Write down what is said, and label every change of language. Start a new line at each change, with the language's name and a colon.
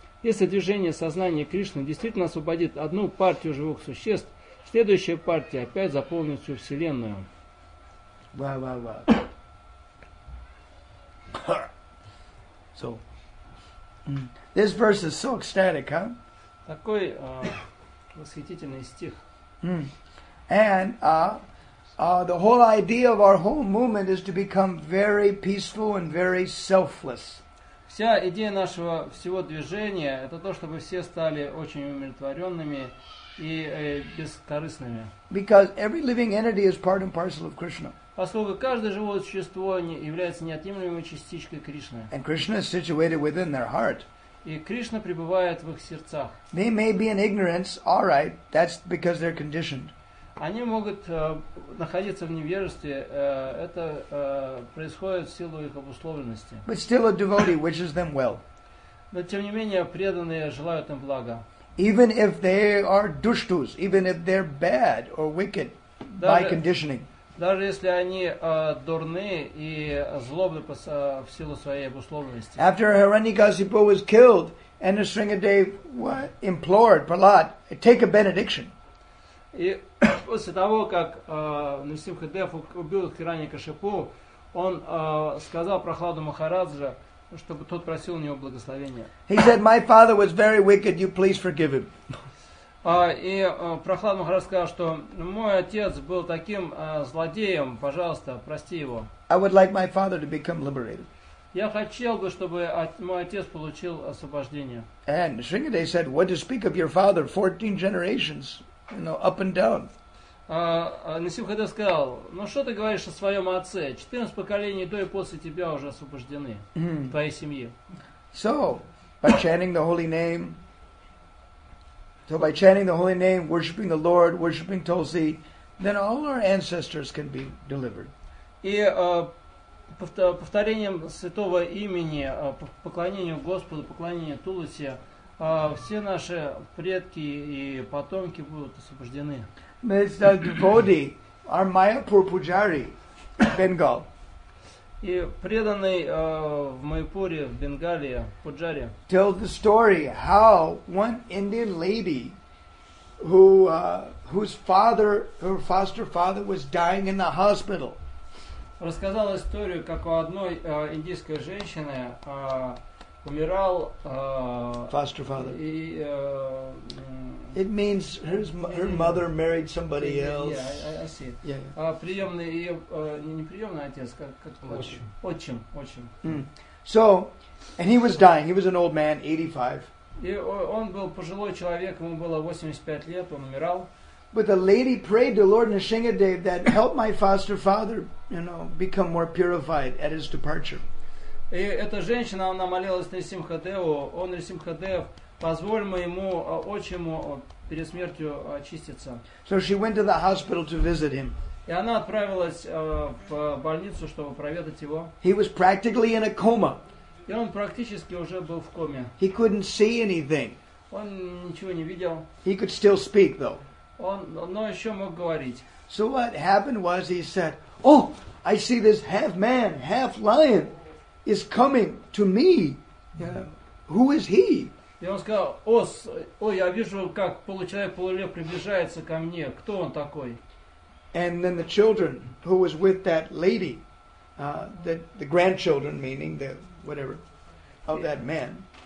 Russian: Если движение сознания Кришны действительно освободит одну партию живых существ, следующая партия опять заполнит всю Вселенную. Ва-ва-ва.
English: So, this verse is so ecstatic, huh?
Russian: Такой восхитительный стих.
English: And the whole idea of our whole movement is to become very peaceful and very selfless.
Russian: Вся идея нашего всего движения – это то, чтобы все стали очень умиротворенными и бескорыстными.
English: Because every living entity is part and parcel of Krishna.
Russian: Поскольку каждое живое существо является неотъемлемой частичкой Кришны.
English: And Krishna is situated within their heart.
Russian: И Кришна пребывает в их сердцах.
English: They may be in ignorance, all right, that's because they're conditioned.
Russian: Они могут находиться в невежестве, это происходит в силу их обусловленности.
English: But still a devotee wishes them well.
Russian: Но тем не менее преданные желают им блага.
English: Even if they are dushtus, even if they're bad or wicked by conditioning.
Russian: Даже если они дурны и злобны в силу своей обусловленности.
English: After Hiranyakasipu was killed, and Nrisimhadeva implored Prahlad, take a benediction.
Russian: И после того, как Нрисимхадев убил Хираньякашипу, он сказал Прохладу Махараджа, чтобы тот просил у него благословения.
English: He said, my father was very wicked, you please forgive him.
Russian: И Прохлад Махарадж сказал, что мой отец был таким злодеем, пожалуйста, прости его.
English: I would like my father to become liberated.
Russian: Я хотел бы, чтобы мой отец получил освобождение.
English: And Shringadev said, what to speak of your father, 14 generations, you know, up and down.
Russian: Нисимхадев сказал, ну что ты говоришь о своем отце? 14 поколений до и после тебя уже освобождены, твоей семьи.
English: So, by chanting the holy name, so by chanting the holy name, worshiping the Lord, worshiping Tulsi, then all our ancestors can be delivered.
Russian: И повторением святого имени, поклонением Господу, поклонением Тулси, все наши предки и потомки будут освобождены.
English: It's the devotee, our Mayapur Pujari, Bengal.
Russian: И преданный в Майпуре, в Бенгалии, в Пуджаре.
English: Tell the story how one Indian lady who whose father, her foster father was dying in the hospital.
Russian: Рассказал историю, как у одной индийской женщины умирал
English: foster father.
Russian: И,
English: it means her mother married somebody else. Yeah, I see. Yeah.
Russian: Приемный, ее, не приемный отец, как отчим. Отчим.
English: So, and he was dying. He was an old man, 85.
Russian: И он был пожилой человек, ему было 85 лет, он умирал.
English: But the lady prayed to Lord Nrsingadev that help my foster father, you know, become more purified at his departure.
Russian: И эта женщина, она молилась Нрсимхадеву, он Нрсимхадев, позволь моему отчиму перед смертью очиститься.
English: So she went to the hospital to visit him.
Russian: И она отправилась в больницу, чтобы проведать его.
English: He was practically in a coma.
Russian: И он практически уже был в коме.
English: He couldn't see anything.
Russian: Он ничего не видел.
English: He could still speak, though.
Russian: Он, но еще мог говорить.
English: So what happened was, he said, "Oh, I see this half man, half lion, is coming to me. Yeah. Who is he?"
Russian: И он сказал, я вижу, как получеловек, полулев приближается ко мне. Кто он такой?"
English: And then the children who was with that lady, the grandchildren, meaning the whatever, of that man.